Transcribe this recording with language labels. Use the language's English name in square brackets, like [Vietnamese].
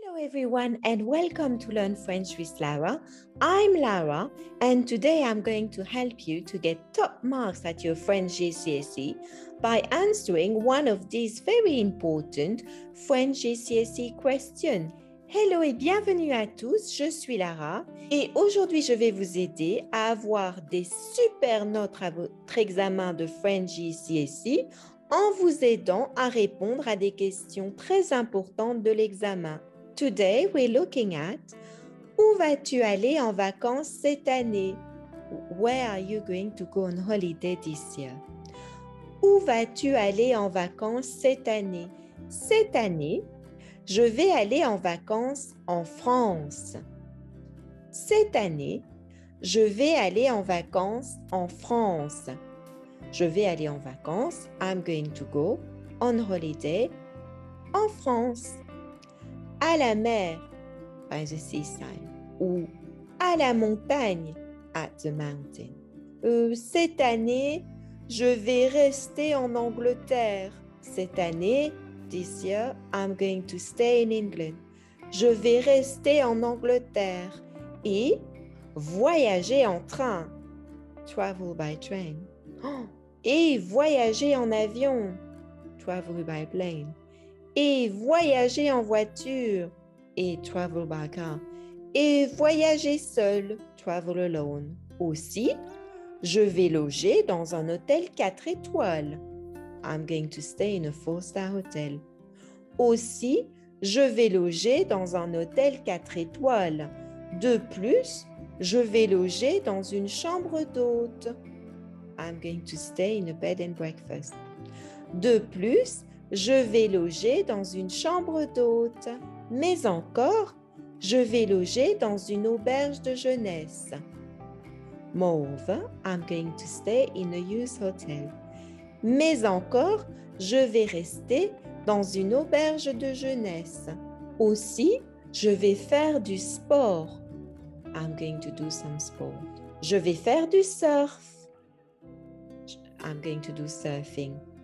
[English] everyone, and welcome to Learn French with Lara. I'm Lara, and today I'm going to help you to get top marks at your French GCSE by answering one of these very important French GCSE questions. [French] Hello et bienvenue à tous, je suis Lara, et aujourd'hui je vais vous aider à avoir des super notes à votre examen de French GCSE en vous aidant à répondre à des questions très importantes de l'examen. [English] Today, we're looking at [French] où vas-tu aller en vacances cette année? [English] Where are you going to go on holiday this year? [French] Où vas-tu aller en vacances cette année? Cette année, je vais aller en vacances en France. Cette année, je vais aller en vacances en France. Je vais aller en vacances, [English] I'm going to go on holiday [French] en France. À la mer, [English] by the seaside, [French] ou à la montagne, [English] at the mountain. [French] Cette année, je vais rester en Angleterre. Cette année, [English] this year, I'm going to stay in England. [French] Je vais rester en Angleterre et voyager en train. [English] Travel by train. [French] Et voyager en avion. [English] Travel by plane. [French] Et voyager en voiture, et [English] travel by car, [French] et voyager seul, [English] travel alone. [French] Aussi, je vais loger dans un hôtel 4 étoiles. [English] I'm going to stay in a 4-star hotel. [French] Aussi, je vais loger dans un hôtel 4 étoiles. De plus, je vais loger dans une chambre d'hôte. [English] I'm going to stay in a bed and breakfast. [French] De plus, je vais loger dans une chambre d'hôte. Mais encore, je vais loger dans une auberge de jeunesse. [English] Moreover, I'm going to stay in a youth hotel. [French] Mais encore, je vais rester dans une auberge de jeunesse. Aussi, je vais faire du sport. [English] I'm going to do some sport. [French] Je vais faire du surf. [English] I'm going to do surfing.